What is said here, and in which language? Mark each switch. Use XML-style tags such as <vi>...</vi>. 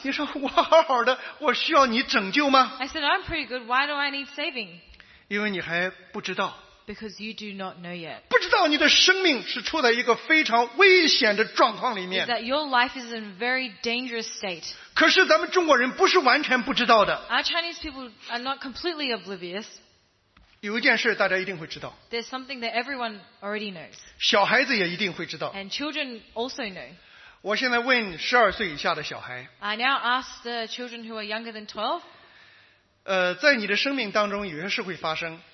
<zh>你说我好好的我需要你拯救吗</zh> <en>I said, I'm pretty good, why do I need saving?</en> <zh>因为你还不知道</zh> <en>Because you do not know yet.</en> <zh>不知道你的生命是处在一个非常危险的状况里面</zh> <en>is that your life is in a very dangerous state.</en> <zh>可是咱们中国人不是完全不知道的</zh> <en>Our Chinese people are not completely oblivious.</en> <zh>有一件事大家一定会知道</zh> <en>There's something that everyone already knows.</en> <zh>小孩子也一定会知道</zh> <en>And children also know.</en> <zh>我现在问12岁以下的小孩</zh> <en>I now ask the children who are younger than 12.</en> <zh>在你的生命当中有些事会发生</zh>